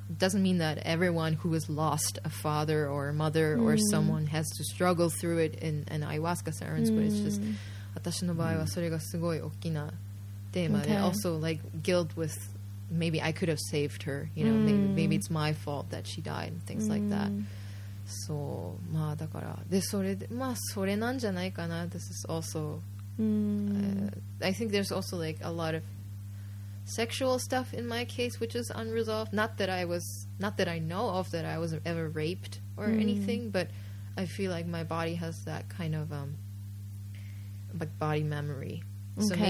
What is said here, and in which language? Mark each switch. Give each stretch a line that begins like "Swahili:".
English: Doesn't mean that everyone who has lost a father or a mother or someone has to struggle through it in an ayahuasca ceremony, but it's just
Japanese: 私の場合はそれがすごい大きなテーマで、
English: okay. also like guilt with maybe I could have saved her, you know, maybe it's my fault that she died and things like that.
Japanese: そう、まあだから、で、それで、まあそれなんじゃないかな。
English: This is also... I think there's also like a lot of sexual stuff in my case which is unresolved. Not that I know of that I was ever raped or anything, but I feel like my body has that kind of like body memory. So okay.